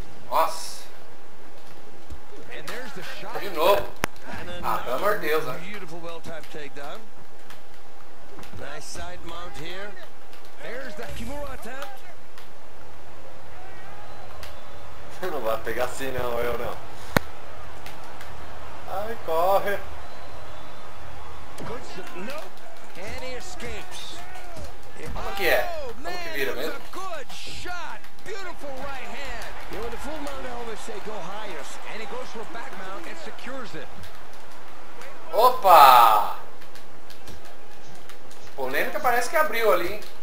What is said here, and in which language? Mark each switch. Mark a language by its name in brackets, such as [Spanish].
[Portuguese] Nossa. [English] And there's the shot. [Portuguese] De novo. Ah, pelo amor de Deus, né? [English] Beautiful well type takedown. Nice side mount here. There's the Kimura attempt. [Portuguese] Você não vai pegar assim, não, eu não. Ai, corre. [English] Good shot. Nope. And he escapes. [Portuguese] Como que é? Como que vira mesmo? [English] Oh, man, good shot. Beautiful right hand. You know, the full mount helmets say go highest. And he goes for back mount and secures it. [Portuguese] Opa! Polêmica parece que abriu ali, hein?